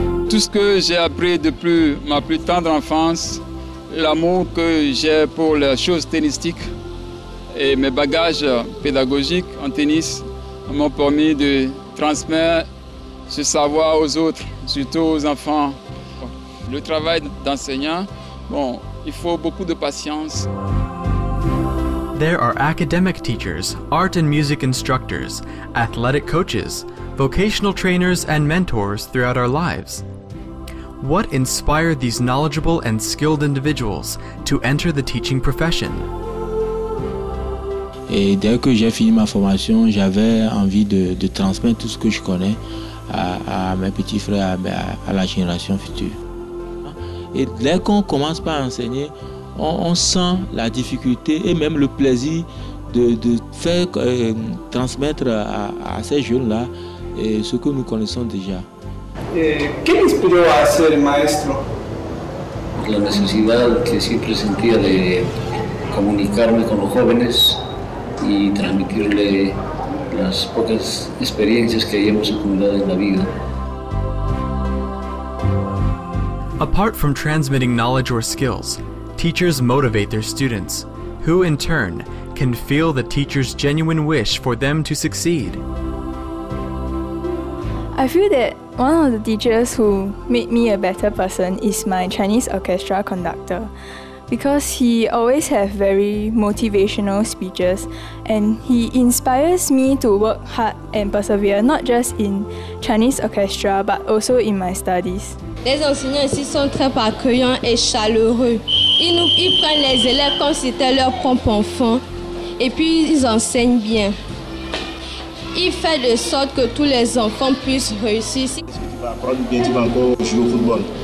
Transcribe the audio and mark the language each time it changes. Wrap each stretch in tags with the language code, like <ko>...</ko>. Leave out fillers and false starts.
<fr>Tout ce que j'ai appris depuis ma plus tendre enfance, l'amour que j'ai pour les choses tennistiques et mes bagages pédagogiques en tennis m'ont permis de transmettre ce savoir aux autres, surtout aux enfants. Le travail d'enseignant, bon, il faut beaucoup de patience.</fr> <en>There are academic teachers, art and music instructors, athletic coaches, vocational trainers and mentors throughout our lives. What inspired these knowledgeable and skilled individuals to enter the teaching profession?</en> <fr>Et dès que j'ai fini ma formation, j'avais envie de transmettre tout ce que je connais à mes petits frères, à la génération future. Et dès qu'on commence par enseigner, on sent la difficulté et même le plaisir de faire transmettre à ces jeunes-là ce que nous connaissons déjà.</fr> <es>¿Qué me inspiró a ser maestro? La necesidad que siempre sentía de comunicarme con los jóvenes y transmitirle las pocas experiencias que hayamos acumulado en la vida.</es> <en>Apart from transmitting knowledge or skills, teachers motivate their students, who in turn can feel the teacher's genuine wish for them to succeed. I feel that one of the teachers who made me a better person is my Chinese orchestra conductor, because he always has very motivational speeches and he inspires me to work hard and persevere, not just in Chinese orchestra but also in my studies.</en> <fr>Les enseignants ici sont très accueillants et chaleureux. Ils prennent les élèves comme si c'était leur propre enfant. Et puis ils enseignent bien. Ils font de sorte que tous les enfants puissent réussir. Est-ce que tu vas apprendre bien, tu vas encore jouer au football?</fr>